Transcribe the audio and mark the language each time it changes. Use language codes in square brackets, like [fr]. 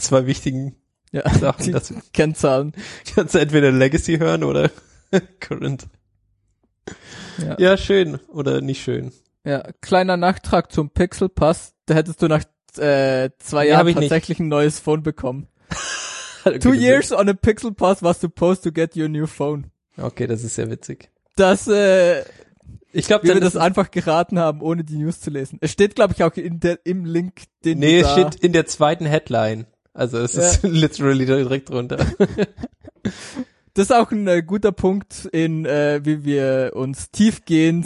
[de] Zwei wichtigen Sachen dazu. Kennzahlen. Kannst du entweder Legacy hören oder Current. Ja, schön. Oder nicht schön. Ja, kleiner Nachtrag zum Pixel Pass. Da hättest du nach 2 Jahren tatsächlich ein neues Phone bekommen. [en] 2 years on a Pixel Pass was supposed to get your new phone. [de] Okay, das ist sehr witzig. Ich glaube, wir das einfach geraten haben, ohne die News zu lesen. Es steht, glaube ich, auch im Link, es steht in der zweiten Headline. Also es ist literally direkt drunter. Das ist auch ein guter Punkt, wie wir uns tiefgehend